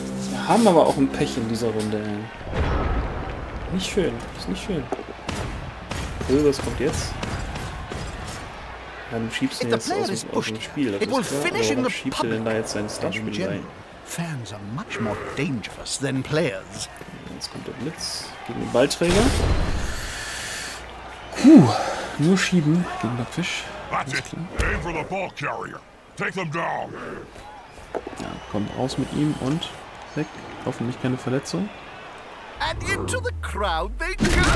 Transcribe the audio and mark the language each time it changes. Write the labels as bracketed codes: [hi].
[de] Wir haben aber auch ein Pech in dieser Runde. Nicht schön. Ist nicht schön. Also, was kommt jetzt? Dann schiebst du jetzt aus dem Spiel. Das ist klar. Aber warum schiebt er denn da jetzt seinen Starspieler rein? [en] Fans are much more dangerous than players. [de] Jetzt kommt der Blitz gegen den Ballträger. Puh, nur schieben gegen den Fisch. [en] Aim for the ball carrier. Take them down. [de] Ja, komm raus mit ihm und weg. Hoffentlich keine Verletzung. [en] And into the crowd they go.